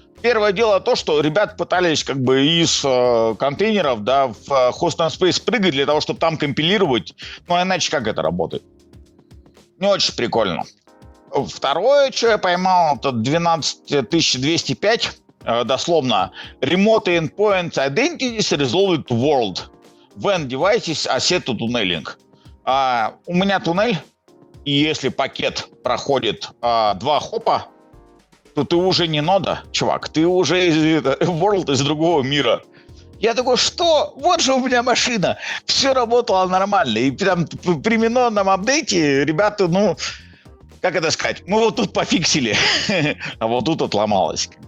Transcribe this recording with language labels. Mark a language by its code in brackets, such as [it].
[ru] Первое дело то, что ребят пытались как бы из контейнеров, да, в Host Namespace прыгать для того, чтобы там компилировать. Ну, а иначе как это работает? Не очень прикольно. Второе, что я поймал, это 12205, дословно. [en] Remote endpoints identities resolved world when devices are set to tunneling. [ru] У меня туннель, и если пакет проходит два хопа, то ты уже не нода, чувак, ты уже из World, из другого мира. Я такой, что? Вот же у меня машина. Все работало нормально. И прям при минорном апдейте ребята, ну, как это сказать, мы вот тут пофиксили, а вот тут отломалось.